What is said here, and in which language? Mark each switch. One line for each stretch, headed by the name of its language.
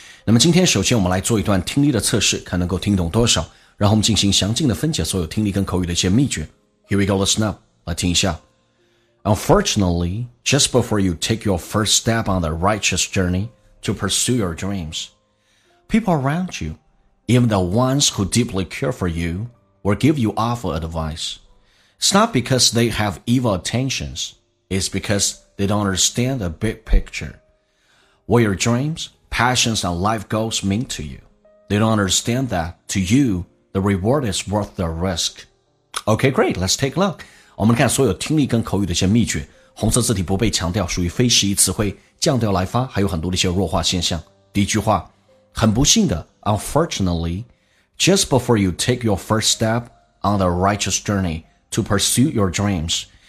Chinese: 那么今天首先我们来做一段听力的测试，看能够听懂多少，然后我们进行详尽的分解所有听力跟口语的一些秘诀。
English: Here we go, listen up，
Chinese: 来听一下。
English: Unfortunately, just before you take your first step on the righteous journey to pursue your dreams, people around you, even the ones who deeply care for you, will give you awful adviceIt's not because they have evil intentions. It's because they don't understand the big picture. What your dreams, passions, and life goals mean to you. They don't understand that, to you, the reward is worth the risk. Okay, great. Let's take a look.
Chinese: 我们看所有听力跟口语的一些秘诀。红色字体不被强调，属于非适宜词汇，降调来发，还有很多的一些弱化现象。第一句话，很不幸的
English: ,unfortunately, just before you take your first step on the righteous journey,To pursue your dreams.